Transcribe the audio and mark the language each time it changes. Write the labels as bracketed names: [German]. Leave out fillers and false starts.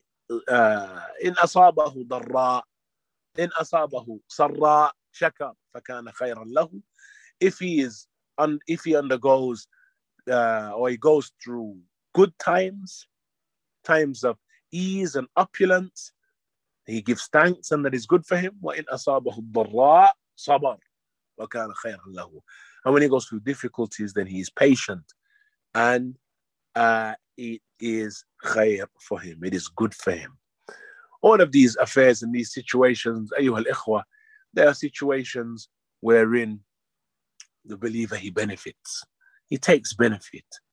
[Arabic] إن أصابه ضراء، إن أصابه سراء شكر فكان خيرا له. [English] If he is if he undergoes or he goes through good times, times of ease and opulence, he gives thanks and that is good for him. [Arabic] وإن أصابه ضراء صبر وكان خيرا له. [English] And when he goes through difficulties, then he is patient and it is خير for him. It is good for him. All of these affairs and these situations, [Arabic] أيها الإخوة, [English] they are situations wherein the believer, he benefits. He takes benefit.